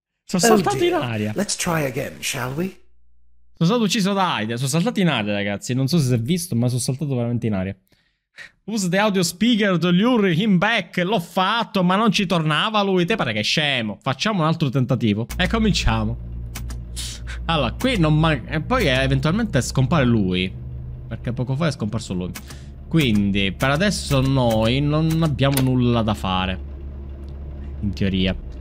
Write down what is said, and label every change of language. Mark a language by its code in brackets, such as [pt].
[it] Sono saltato in aria. [en] Let's try again, shall we? [it] Sono stato ucciso da Aiden. Sono saltato in aria, ragazzi. Non so se si è visto, ma sono saltato veramente in aria. [en] Use the audio speaker to lure him back. [it] L'ho fatto, ma non ci tornava lui. Te pare che è scemo. Facciamo un altro tentativo. E cominciamo. Allora, qui non manca. E poi eventualmente scompare lui. Perché poco fa è scomparso lui. Quindi, per adesso noi non abbiamo nulla da fare. In teoria.